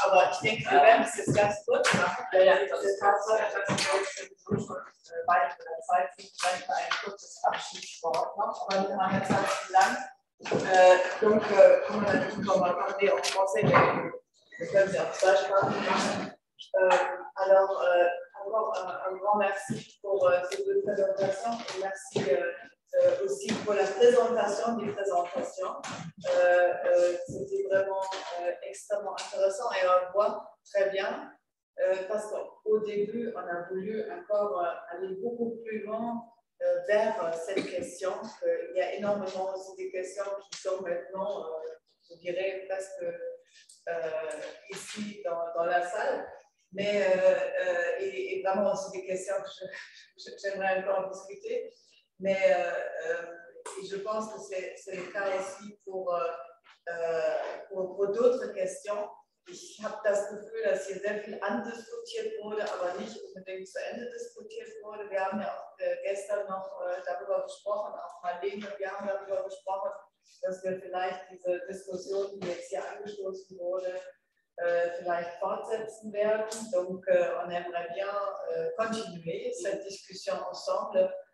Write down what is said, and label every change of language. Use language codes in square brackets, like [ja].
[de] aber ich denke, wir werden es jetzt ganz kurz machen, weil ja, das ist tatsächlich ein kurzes Abschiedswort noch, aber wir haben jetzt halt zu lang. Dunkel, kommen wir natürlich nochmal, machen wir auch Vorsehen. Wir können sie auch zwei Sprachen machen. [fr] Un grand merci pour cette présentation et merci aussi pour la présentation des présentations. C'était vraiment extrêmement intéressant et on voit très bien parce qu'au début, on a voulu encore aller beaucoup plus loin vers cette question. Il y a énormément aussi des questions qui sont maintenant, je dirais, presque ici dans la salle. Mais et vraiment aussi des questions que j'aimerais encore discuter. Mais je pense que c'est le cas aussi pour d'autres questions. [de] Ich habe das Gefühl, dass hier sehr viel andiskutiert wurde, aber nicht unbedingt zu Ende diskutiert wurde. Wir haben ja auch gestern noch darüber gesprochen, auch Marlene, wir haben darüber gesprochen, dass wir vielleicht diese Diskussion, die jetzt hier angestoßen wurde, vielleicht fortsetzen werden. [fr] Donc, on aimerait bien continuer cette discussion ensemble.